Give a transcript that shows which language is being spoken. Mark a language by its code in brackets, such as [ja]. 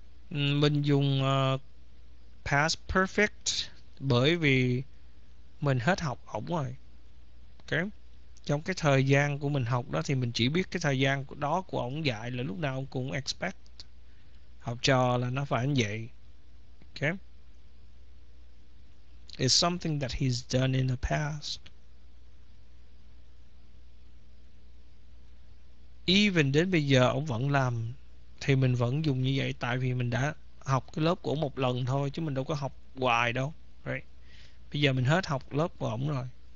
[vi] Mình dùng past perfect bởi vì mình hết học ổng rồi. Okay. Trong cái thời gian của mình học đó thì mình chỉ biết cái thời gian đó của ổng dạy là lúc nào ổng cũng expect học trò là nó phải như vậy. [en] Okay. It's something that he's done in the past. [vi] Even đến bây giờ ổng vẫn làm thì mình vẫn dùng như vậy tại vì mình đã học cái lớp của ổng một lần thôi chứ mình đâu có học hoài đâu. Right. Bây giờ mình hết học lớp của ổng rồi.